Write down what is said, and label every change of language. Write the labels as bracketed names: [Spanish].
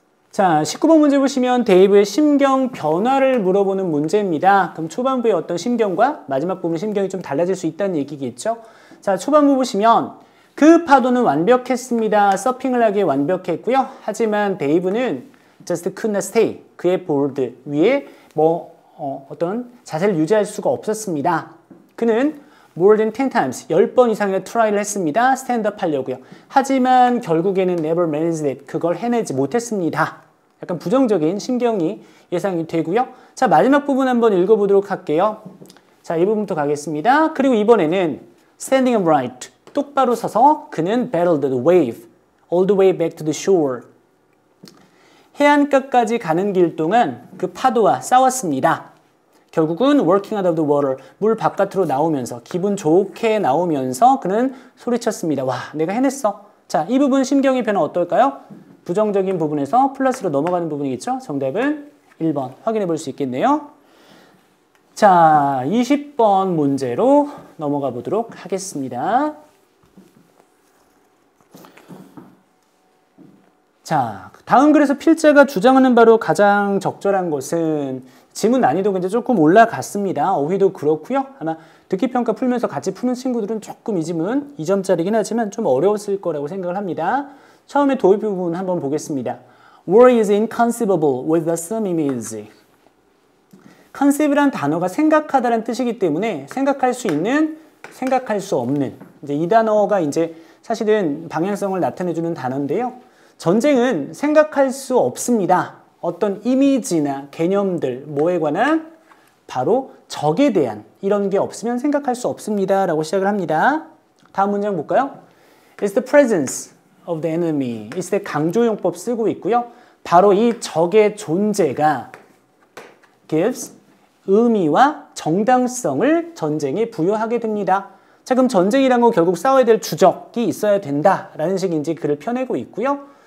[Korean] 자, 19번 문제 보시면 데이브의 심경 변화를 물어보는 문제입니다. 그럼 초반부의 어떤 심경과 마지막 부분의 심경이 좀 달라질 수 있다는 얘기겠죠? 자, 초반부 보시면 그 파도는 완벽했습니다. 서핑을 하기에 완벽했고요. 하지만 데이브는 [English] just could not stay. [Korean] 그의 보드 위에 어떤 자세를 유지할 수가 없었습니다. 그는 [English] more than 10 times, [Korean] 10번 이상의 트라이를 했습니다. 스탠드업 하려고요. 하지만 결국에는 [English] never managed it. [Korean] 그걸 해내지 못했습니다. 약간 부정적인 심경이 예상이 되고요. 자, 마지막 부분 한번 읽어보도록 할게요. 자, 이 부분부터 가겠습니다. 그리고 이번에는 [English] standing upright, [Korean] 똑바로 서서 그는 [English] battled the wave, all the way back to the shore. [Korean] 해안가까지 가는 길 동안 그 파도와 싸웠습니다. 결국은 [English] working out of the water, [Korean] 물 바깥으로 나오면서 기분 좋게 나오면서 그는 소리쳤습니다. 와, 내가 해냈어. 자, 이 부분 심경의 변화 어떨까요? 부정적인 부분에서 플러스로 넘어가는 부분이겠죠? 정답은 1번 확인해 볼 수 있겠네요. 자, 20번 문제로 넘어가 보도록 하겠습니다. 자, 다음 글에서 필자가 주장하는 바로 가장 적절한 것은 지문 난이도가 이제 조금 올라갔습니다. 어휘도 그렇고요. 아마 듣기 평가 풀면서 같이 푸는 친구들은 조금 이 지문 2점짜리긴 하지만 좀 어려웠을 거라고 생각을 합니다. 처음에 도입 부분 한번 보겠습니다. [English] War is inconceivable with the same image. [Korean] conceive란 단어가 생각하다라는 뜻이기 때문에 생각할 수 있는, 생각할 수 없는 이제 이 단어가 이제 사실은 방향성을 나타내주는 단어인데요. 전쟁은 생각할 수 없습니다. 어떤 이미지나 개념들, 뭐에 관한 바로 적에 대한 이런 게 없으면 생각할 수 없습니다. 라고 시작을 합니다. 다음 문장 볼까요? [English] It's the presence of the enemy. [Korean] 이때 강조용법 쓰고 있고요. 바로 이 적의 존재가 gives 의미와 정당성을 전쟁에 부여하게 됩니다. 자, 그럼 전쟁이란 건 결국 싸워야 될 주적이 있어야 된다라는 식인지 글을 펴내고 있고요.